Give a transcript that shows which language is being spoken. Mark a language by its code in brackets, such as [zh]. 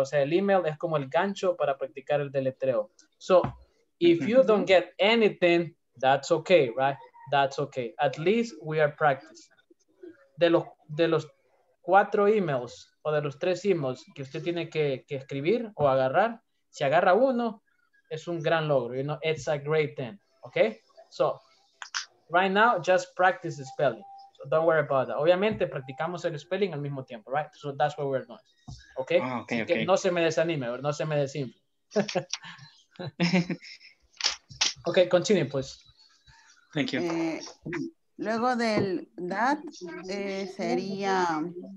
[es] O sea, el email es como el gancho para practicar el deletreo. [en] So, if you don't get anything, that's okay, right? That's okay. At least we are practicing. [es] De los cuatro emails o de los tres emails que usted tiene que escribir o agarrar, si agarra uno, es un gran logro, [en] you know, it's a great thing, [es] okay? [en] So, right now, just practice the spelling. So don't worry about that. [es] Obviamente, practicamos el spelling al mismo tiempo, right? [en] So that's what we're doing, okay? Oh, okay, okay. [es] Que no se me desanime, no se me desinfle. [en] Okay, continue, please. Thank you. [es] Luego del that, sería...